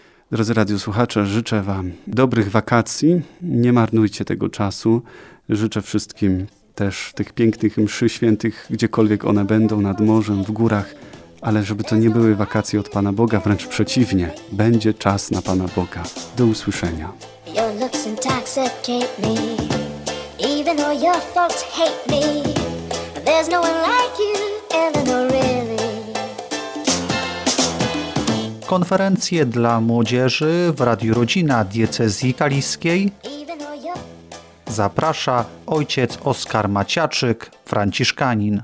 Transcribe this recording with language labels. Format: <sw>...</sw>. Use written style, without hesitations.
<pl>Drodzy radiosłuchacze, życzę wam dobrych wakacji. Nie marnujcie tego czasu. Życzę wszystkim też tych pięknych mszy świętych, gdziekolwiek one będą, nad morzem, w górach, ale żeby to nie były wakacje od Pana Boga, wręcz przeciwnie, będzie czas na Pana Boga. Do usłyszenia.</pl> <en>Your looks intoxicate me, even though your folks hate me. There's no one like you, Eleanor, really.</en> <pl>Konferencje dla młodzieży w Radiu Rodzina Diecezji Kaliskiej zaprasza ojciec Oskar Maciaczyk, franciszkanin.</pl>